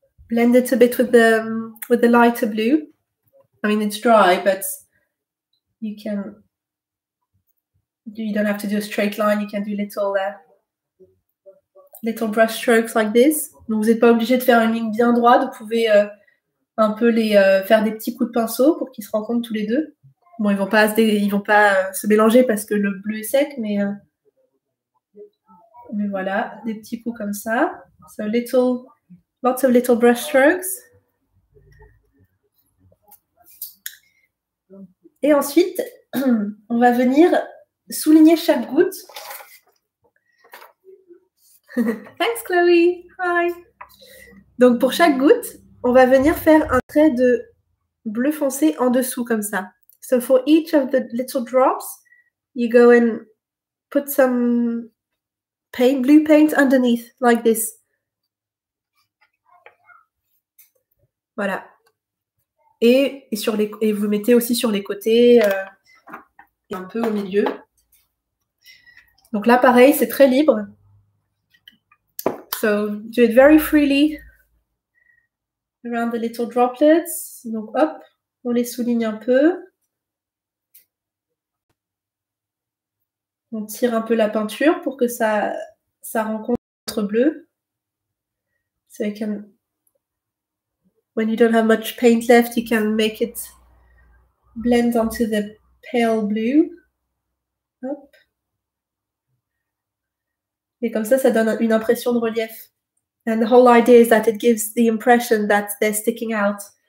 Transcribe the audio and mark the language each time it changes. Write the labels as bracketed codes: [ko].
[en] Blend it a bit with the lighter blue. I mean, it's dry, but you don't have to do a straight line, you can do little brush strokes like this. [fr] Donc vous n'êtes pas obligé de faire une ligne bien droite. Vous pouvez un peu faire des petits coups de pinceau pour qu'ils se rencontrent tous les deux. Bon, ils ne vont pas, se mélanger parce que le bleu est sec, mais voilà, des petits coups comme ça. [en] So lots of little brush strokes. [fr] Et ensuite, on va venir souligner chaque goutte. [en] Thanks Chloe, hi. [fr] Donc pour chaque goutte, on va venir faire un trait de bleu foncé en dessous comme ça. [en] So for each of the little drops, you go and put some blue paint underneath like this. [fr] Voilà. Et vous mettez aussi sur les côtés et un peu au milieu. Donc là, pareil, c'est très libre. [en] So, do it very freely around the little droplets. [fr] Donc hop, on les souligne un peu. On tire un peu la peinture pour que ça rencontre notre bleu. [en] So you can, when you don't have much paint left, you can make it blend onto the pale blue. [fr] Hop. Et comme ça donne une impression de relief. [en] And the whole idea is that it gives the impression that they're sticking out.